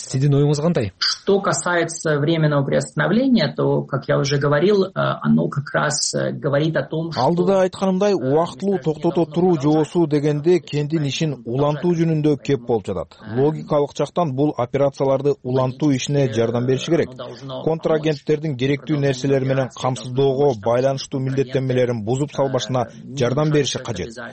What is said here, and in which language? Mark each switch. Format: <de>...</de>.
<ky>Сиздин оюңуз кандай?</ky> <ru>Что касается временного приостановления, то, как я уже говорил, оно как раз говорит о том, что...</ru> <ky>Алдыда айтканымдай, убактылуу токтото туруу жоосу дегенде кендин ишин улантуу жөнүндө кеп болуп жатат. Логикалык жактан бул операцияларды улантуу ишине жардам бериши керек. Контрагенттердин керектүү нерселер менен камсыздоого байланыштуу милдеттенмелер бузуп салбашына жардам бериши кажет.</ky>